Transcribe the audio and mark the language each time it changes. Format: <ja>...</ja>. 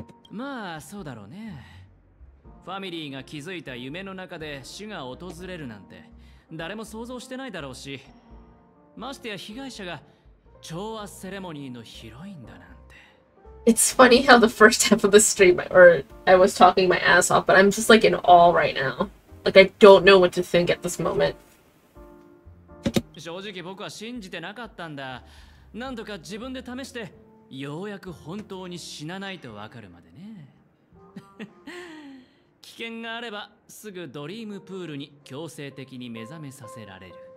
<ja>まあそうだろうね。ファミリーが気づいた夢の中で死が訪れるなんて誰も想像してないだろうし、ましてや被害者が調和セレモニーのヒロインだな。</ja> <en>It's funny how the first half of the stream, or I was talking my ass off, but I'm just like in awe right now. Like, I don't know what to think at this moment.</en> <ja>正直僕は信じてなかったんだ。何度か自分で試して、ようやく本当に死なないとわかるまでね。危険があれば、すぐドリームプールに強制的に目覚めさせられる。</ja>